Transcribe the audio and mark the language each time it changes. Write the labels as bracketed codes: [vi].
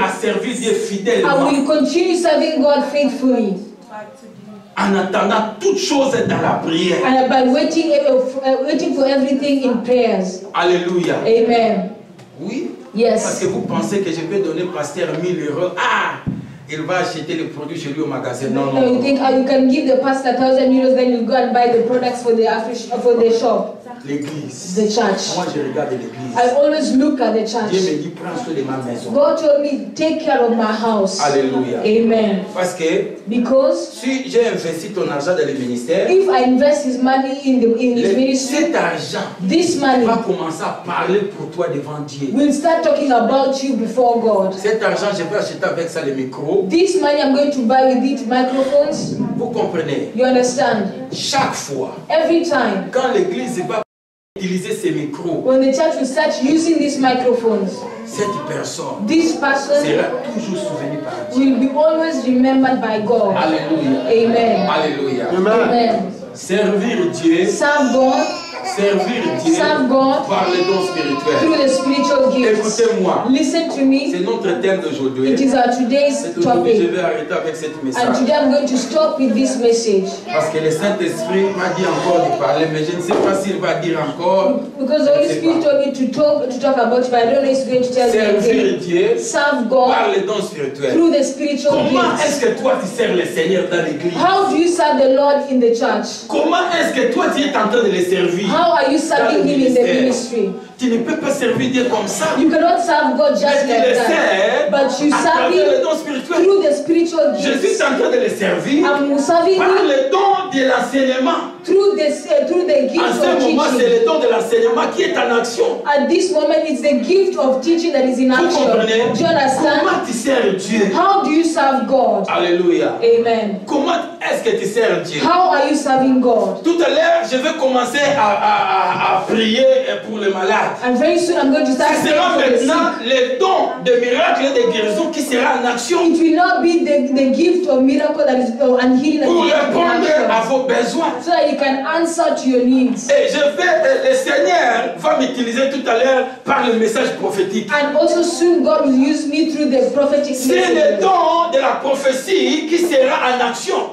[en] I will continue serving God faithfully. [fr] En attendant toutes choses dans la prière. [en] And by waiting for everything in prayers. [fr] Alléluia. [en] Amen. [fr] Oui. [en] Yes. [fr] Parce que vous pensez que je vais donner pasteur 1,000 euros. Ah, il va acheter le produit chez lui au magasin. Non, non. [en] So you think you can give the pastor 1,000 euros, then you go and buy the products for the shop. [fr] L'église. [en] The church. [fr] Moi, je regarde l'église. [en] I always look at the church. [fr] Dieu me dit, prends soin de ma maison. [en] God told me, take care of my house. [fr] Alléluia. [en] Amen. [fr] Parce que [en] because [fr] si j'ai investi ton argent dans le ministère, [en] if I invest his money in his ministry, [fr] cet argent, [en] this money, [fr] va commencer à parler pour toi devant Dieu. [en] Will start talking about you before God. [fr] Cet argent, je peux acheter avec ça le micro. [en] This money, I'm going to buy with it microphones. [fr] Vous comprenez? [en] You understand? [fr] Chaque fois. [en] Every time. [fr] Quand l'église va utiliser ces micros. [en] When the church will start using these microphones. [fr] Cette personne. [en] This person. [fr] Sera toujours souvenu par Dieu. [en] Will be always remembered by God. [fr] Alléluia. [en] Amen. [fr] Alléluia. [en] Amen. Amen. [fr] Servir Dieu. [en] Serve God. [fr] Servir Dieu. [en] Serve God. [fr] Par les dons spirituels. [en] Through the spiritual gifts. [fr] Écoutez-moi. [en] Listen to me. [fr] C'est notre thème d'aujourd'hui. [en] It is our today's topic. [fr] Je vais arrêter avec cette message. [en] And today I'm going to stop with this message. [fr] Parce que le Saint-Esprit m'a dit encore de parler, mais je ne sais pas s'il va dire encore. [en] Because the Holy Spirit told me to talk about it, but I don't know if he's going to tell me. [fr] Servir Dieu. [en] Serve God. [fr] Par les dons spirituels. [en] Through the spiritual gifts. [fr] Comment est-ce que toi tu sers le Seigneur dans l'église? [en] How do you serve the Lord in the church? [fr] Comment est-ce que toi tu es en train de le servir? [en] How are you serving him in the ministry? [fr] Tu ne peux pas servir Dieu comme ça. [en] You cannot serve God just like that. [fr] Sais, [en] but you serve him through the spiritual gifts. [fr] Je suis en train de le servir [en] I'm serving [fr] par le don de l'enseignement. [en] through the gifts of teaching. [fr] À ce moment, c'est le temps de l'enseignement qui est en action. [en] At this moment, it's the gift of teaching that is in action. [fr] Comprenez? [en] Do you understand? [fr] Comment tu sers Dieu? [en] How do you serve God? [fr] Alléluia. [en] Amen. [fr] Comment est-ce que tu sers Dieu? [en] How are you serving God? [fr] Tout à l'heure, je vais commencer à prier pour les malades. [en] And very soon, I'm going to start. [fr] Ce sera maintenant le don de miracles et de guérison qui sera en action. [en] It will not be the gift of miracle that is and healing that [fr] pour répondre à vos besoins. [en] So that you can answer to your needs. [fr] Et je vais, le Seigneur va m'utiliser tout à l'heure par le message prophétique. [en] And also soon God will use me through the prophetic message. [fr] C'est le don de la prophétie qui sera en action.